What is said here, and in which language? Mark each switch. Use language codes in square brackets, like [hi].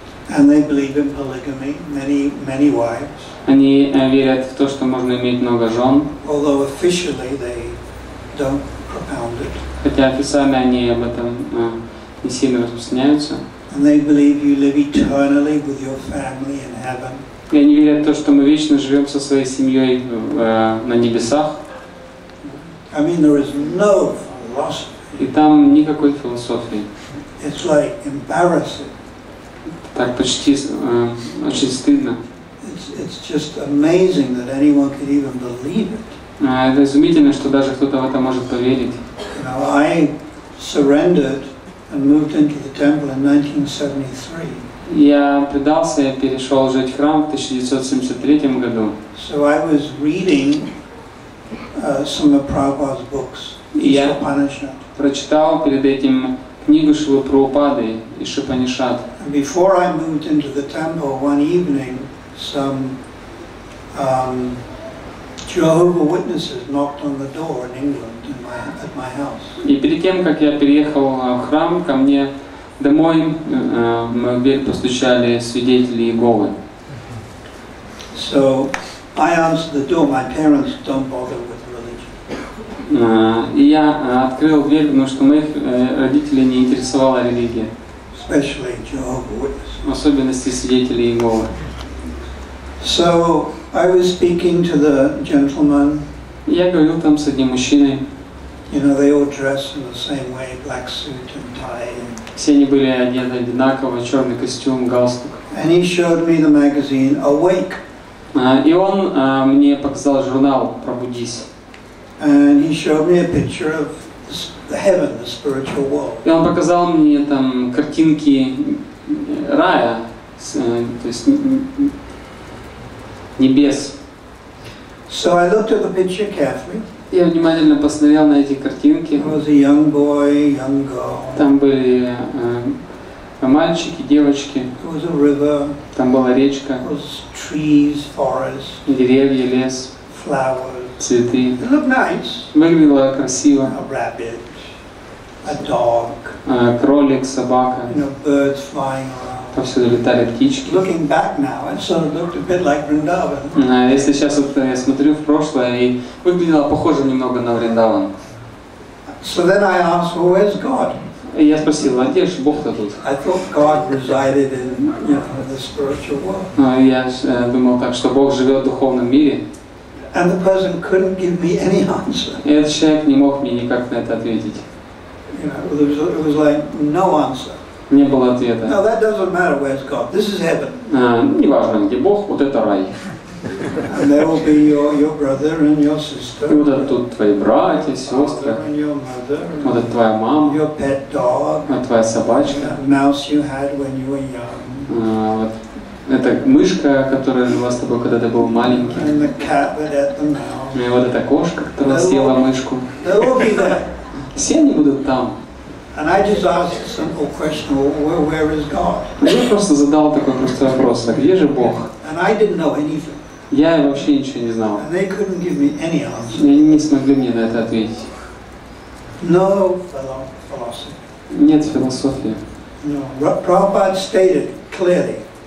[en] And they believe in polygamy, many, many wives. [ru] Они верят в то, что можно иметь много жен. [en] Although officially they don't propound it. [ru] Хотя официально они об этом не сильно распространяются. [en] And they believe you live eternally with your family in heaven. [ru] И они верят в то, что мы вечно живем со своей семьей на небесах. [en] I mean, there is no philosophy. [ru] И там никакой философии. [en] It's like embarrassing. [ru] Так почти очень стыдно. [en] It's just amazing that anyone could even believe it. [ru] Это изумительно, что даже кто-то в это может поверить. [en] You know, I surrendered and moved into the temple in 1973. [ru] Я предался и перешел жить в храм в 1973 году. [en] So I was reading some of Prabhupada's books. [ru] Я прочитал перед этим книгу Шрилы Прабхупады и Шупанишад. [en] Before I moved into the temple one evening, some Jehovah Witnesses knocked on the door in England at my house. [ru] И перед тем, как я переехал в храм, ко мне домой в дверь постучали свидетели Иеговы. [en] So I answered the door. My parents don't bother with religion. [ru] И я открыл дверь, потому что моих родителей не интересовала религия. [en] Especially Jehovah Witnesses. [ru] В особенности свидетели Иеговы. [en] So I was speaking to the gentleman. [ru] Я говорил там с одним мужчиной. [en] You know, they all dress in the same way, black suit and tie. [ru] Все они были одеты одинаково, черный костюм, галстук. [en] And he showed me the magazine Awake. [ru] И он мне показал журнал «Пробудись». [en] And he showed me a picture of the heaven, the spiritual world. [ru] И он показал мне там картинки рая, то есть небес. [en] So I looked at the picture carefully. [ru] Я внимательно посмотрел на эти картинки. [en] There was a young boy, young girl. [ru] Там были мальчики, девочки. [en] There was a river. [ru] Там была речка. [en] There was trees, forest. [ru] Деревья, лес. [en] Flowers. [ru] Цветы. [en] It looked nice. [ru] Выглядело красиво. [en] A rabbit. A dog. [ru] Кролик, собака. [en] You know, birds flying around. [ru] Повсюду летали птички. [en] Looking back now, it sort of looked a bit like Vrindavan. [ru] Если сейчас вот я смотрю в прошлое, и выглядело похоже немного на Вриндаван. [en] So then I asked, well, where's God? [ru] И я спросил, а где же Бог-то тут? [en] I thought God resided in, you know, the spiritual world. [ru] Ну, я думал так, что Бог живет в духовном мире. [en] And the person couldn't give me any answer. [ru] И этот человек не мог мне никак на это ответить. [en] You know, it was like no answer. [ru] Не было ответа. [en] No, that doesn't matter, where's God. This is heaven. [ru] Не важно, где Бог, вот это рай. [en] And there will be your brother and your sister. [ru] И вот это тут твои братья, сестры. [en] And your mother. [ru] Вот это твоя мама. [en] Your pet dog. [ru] Вот твоя собачка. [en] And that mouse you had when you were young. [ru] Вот это мышка, которая жила с тобой, когда ты был маленький. [en] And the cat that ate the mouse. [ru] И вот эта кошка, которая съела мышку. [en] They will be there. [ru] Все они будут там. [en] And I just asked a simple question: Where is God? [ru] Я просто задал такой простой вопрос: а где же Бог? [en] And I didn't know anything. [ru] Я вообще ничего не знал. [en] And they couldn't give me any answer. [ru] Они не смогли мне на это ответить. [en] No philosophy. [ru] Нет философии. [en] No. Prabhupada stated clearly.